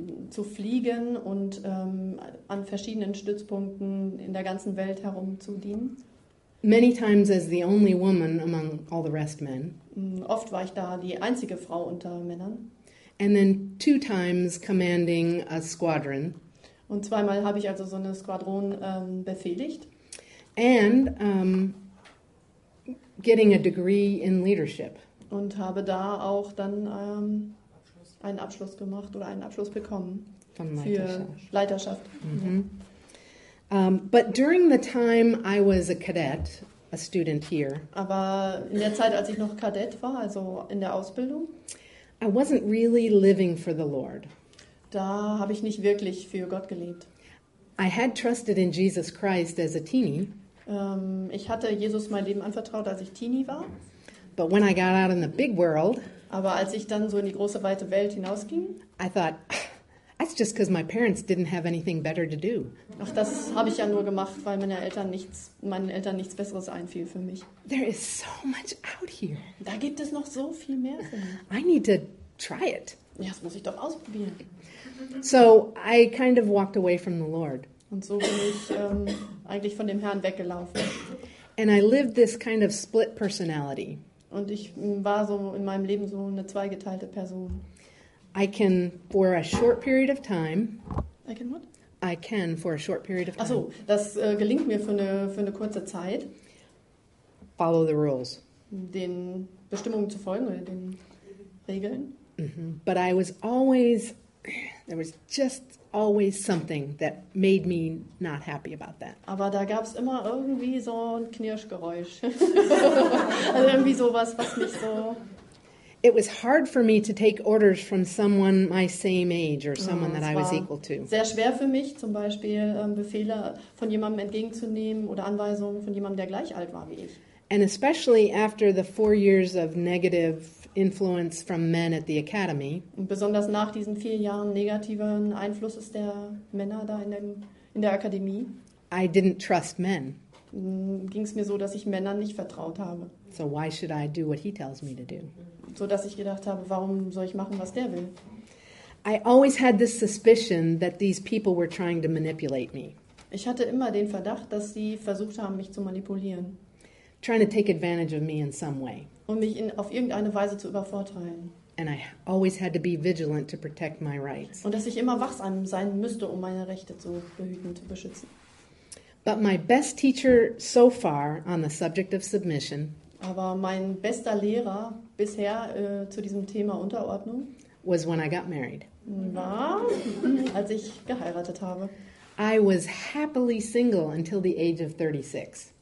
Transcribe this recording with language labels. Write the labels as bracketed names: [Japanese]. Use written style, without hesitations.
[German] zu fliegen und an verschiedenen Stützpunkten in der ganzen Welt herum zu dienen. [English] Many times as the only woman among all the rest men. [German] Oft war ich da die einzige Frau unter Männern. [English] And then 2 times commanding a squadron. [German] Und 2 Mal habe ich also so eine Squadron befehligt. [English] And getting a degree in leadership. [German] Und habe da auch dann einen Abschluss gemacht oder einen Abschluss bekommen von Leiterschaft. Mm-hmm. [English] But during the time I was a cadet, a student here. [German] Aber in der Zeit, als ich noch Kadett war, also in der Ausbildung, [English] I wasn't really living for the Lord. [German] Da habe ich nicht wirklich für Gott gelebt. [English] I had trusted in Jesus Christ as a teenie. [German] Ich hatte Jesus mein Leben anvertraut, als ich Teenie war. [English] But when I got out in the big world, [German] aber als ich dann so in die große weite Welt hinausging, [English] I thought, that's just because my parents didn't have anything better to do. [German] Ach, das habe ich ja nur gemacht, weil meinen Eltern nichts Besseres einfiel für mich. [English] There is so much out here. [German] Da gibt es noch so viel mehr für mich. [English] I need to try it. [German] Ja, das muss ich doch ausprobieren. [English] So I kind of walked away from the Lord. [German] Und so bin ich eigentlich von dem Herrn weggelaufen. [English] And I lived this kind of split personality. [German] Und ich war so in meinem Leben so eine zweigeteilte Person. [English] I can for a short period of time. I can what? I can for a short period of time. [German] Ach so, das gelingt mir für eine kurze Zeit. [English] Follow the rules. [German] Den Bestimmungen zu folgen oder den Regeln. Mm-hmm. [English] But I was always, there was just always something that made me not happy about that. [German] Aber da gab's immer irgendwie so ein Knirschgeräusch. Also irgendwie sowas, was mich so. [English] It was hard for me to take orders from someone my same age or someone that I was equal to. [German] Sehr schwer für mich, zum Beispiel Befehle von jemandem entgegenzunehmen oder Anweisungen von jemandem, der gleich alt war wie ich. [English] And especially after the 4 years of negative influence from men at the academy. [German] Und besonders nach diesen 4 Jahren negativen Einflusses der Männer da in der Akademie. [English] I didn't trust men. [German] Ging's mir so, dass ich Männern nicht vertraut habe. [English] So why should I do what he tells me to do? [German] So dass ich gedacht habe, warum soll ich machen, was der will? [English] I always had this suspicion that these people were trying to manipulate me. [German] Ich hatte immer den Verdacht, dass sie versucht haben, mich zu manipulieren. [English] Trying to take advantage of me in some way. [German] Um mich auf irgendeine Weise zu übervorteilen. [English] And I always had to be vigilant to protect my rights. [German] Und dass ich immer wachsam sein müsste, um meine Rechte zu behüten, zu beschützen. [English] But my best teacher so far on the subject of submission. [German] Aber mein bester Lehrer bisher zu diesem Thema Unterordnung [English] was when I got married. [German] War, als ich geheiratet habe. [English] I was happily single until the age of 36.